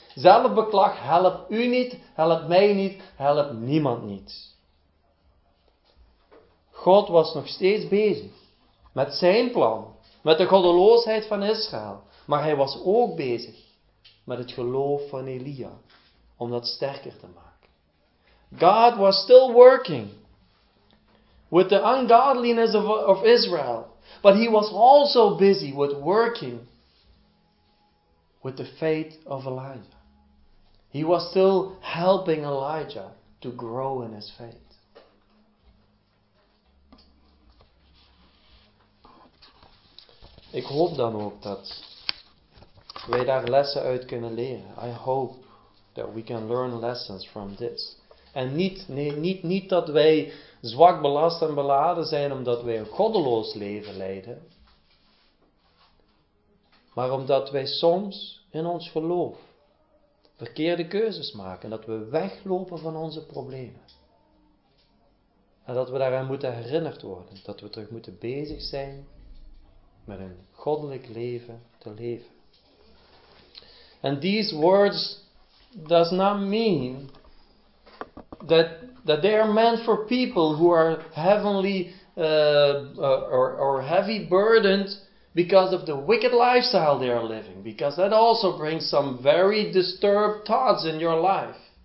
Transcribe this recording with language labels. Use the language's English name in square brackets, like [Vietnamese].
[Dutch] Zelfbeklag helpt u niet, helpt mij niet, helpt niemand niet. God was nog steeds bezig met zijn plan. Met de goddeloosheid van Israël. Maar hij was ook bezig met het geloof van Elia. Om dat sterker te maken. [English] God was still working with the ungodliness of Israel. But he was also busy with working with the faith of Elijah. He was still helping Elijah to grow in his faith. [Dutch] Ik hoop dan ook dat wij daar lessen uit kunnen leren. [English] I hope that we can learn lessons from this. [Dutch] En niet dat wij zwak belast en beladen zijn omdat wij een goddeloos leven leiden, maar omdat wij soms in ons geloof verkeerde keuzes maken, dat we weglopen van onze problemen. En dat we daaraan moeten herinnerd worden, dat we terug moeten bezig zijn met een goddelijk leven te leven. [English] And these words does not mean that they are meant for people who are heavenly or heavy burdened because of the wicked lifestyle they are living, because that also brings some very disturbed thoughts in your life.